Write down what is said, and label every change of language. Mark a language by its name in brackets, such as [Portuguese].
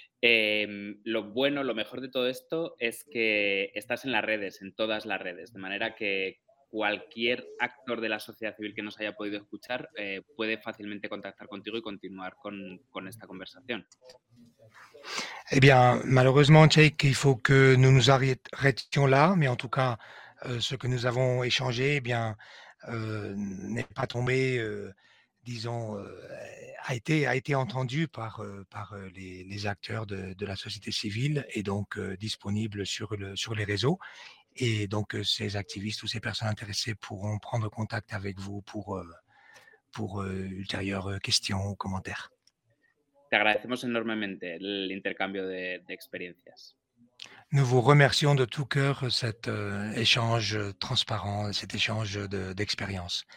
[Spanish] Lo bueno, lo mejor de todo esto es que estás en las redes, en todas las redes, de manera que cualquier actor de la sociedad civil que nos haya podido escuchar puede fácilmente contactar contigo y continuar con esta conversación. [French] Eh bien, malheureusement, Jake, il faut que nous nous arrêtions là, mais en tout cas, ce que nous avons échangé, eh bien, n'est pas tombé, disons, a été entendu par les acteurs de la société civile et donc disponible sur les réseaux. Et donc, ces activistes ou ces personnes intéressées pourront prendre contact avec vous pour ultérieures questions ou commentaires. [Spanish] Te agradecemos enormemente el intercambio de experiencias. [French] Nous vous remercions de tout cœur cet échange transparent, cet échange d'expérience.